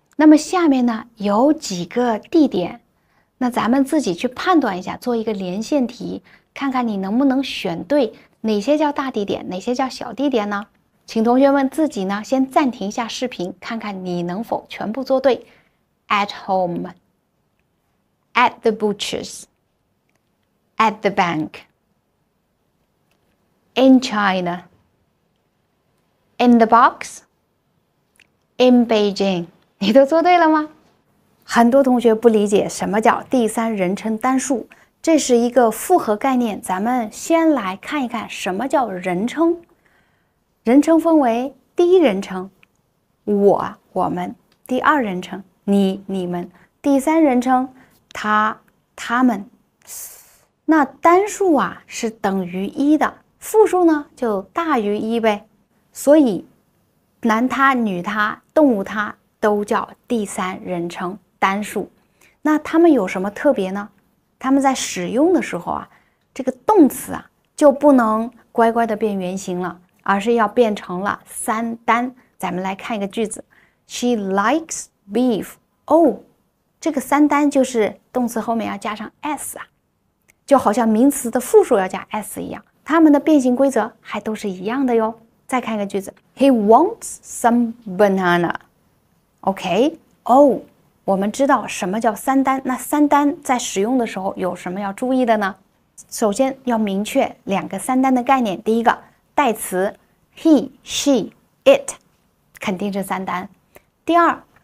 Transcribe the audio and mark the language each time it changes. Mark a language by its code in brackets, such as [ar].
[zh] 那么下面呢，有几个地点，那咱们自己去判断一下，做一个连线题，看看你能不能选对哪些叫大地点，哪些叫小地点呢？请同学们自己呢，先暂停一下视频，看看你能否全部做对。 [en] at home。 At the butcher's, at the bank, in China, in the box, in Beijing. [zh] 你都做对了吗？很多同学不理解什么叫第三人称单数，这是一个复合概念。咱们先来看一看什么叫人称。人称分为第一人称，我、我们；第二人称，你、你们；第三人称，他。他们，那单数啊是等于一的，复数呢就大于一呗，所以男他、女他、动物他都叫第三人称单数。那他们有什么特别呢？他们在使用的时候啊，这个动词啊就不能乖乖的变原形了，而是要变成了三单。咱们来看一个句子 ， [en] She likes beef. Oh. [zh] 这个三单就是动词后面要加上 s 啊，就好像名词的复数要加 s 一样，它们的变形规则还都是一样的哟。再看一个句子 ， [en] He wants some banana. Okay. [zh] Oh, 我们知道什么叫三单，那三单在使用的时候有什么要注意的呢？首先要明确两个三单的概念。第一个代词 he, she, it， 肯定是三单。第二。